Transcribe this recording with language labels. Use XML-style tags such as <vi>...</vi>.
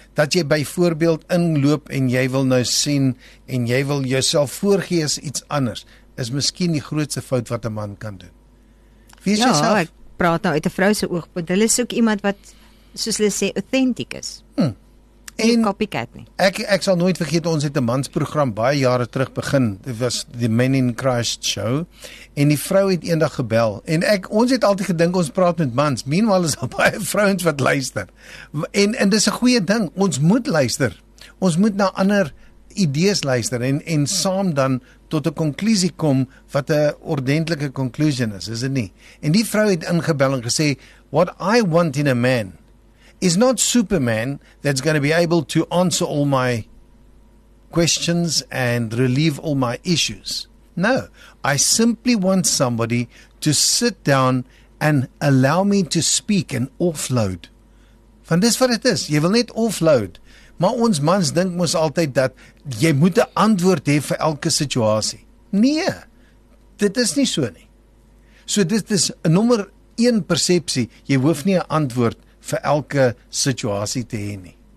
<af>dat jy byvoorbeeld inloop en jy wil nou sien en jy wil jouself voorgee as iets anders, is miskien die grootste fout wat 'n man kan doen. Wees ja, jouself. Ek praat nou uit 'n vrou se oogpunt. Hulle soek iemand wat, soos hulle sê, authentiek is. En copycat nie. Ek sal nooit vergeet, ons het 'n mansprogram baie jare terug begin. Dit was die Men in Christ show. En die vrou het eendag gebel. En ons het altyd gedink, ons praat met mans. Meanwhile is daar baie vrouens wat luister. En dis 'n goeie ding. Ons moet luister. Ons moet na ander idees luister. En saam dan tot 'n konklusie kom wat 'n ordentlike conclusion is. Is dit nie? En die vrou het ingebel en gesê,</af> <en>what I want in a man is not Superman that's going to be able to answer all my questions and relieve all my issues. No, I simply want somebody to sit down and allow me to speak and offload.</en> <af>Van dis wat dit is. Jy wil net offload. Maar ons mans dink mos altyd dat jy moet 'n antwoord hê vir elke situasie. Nee, dit is nie so nie. So dit is 'n nommer 1 persepsie. Jy hoef nie 'n antwoord vir elke situasie te hê nie.</af>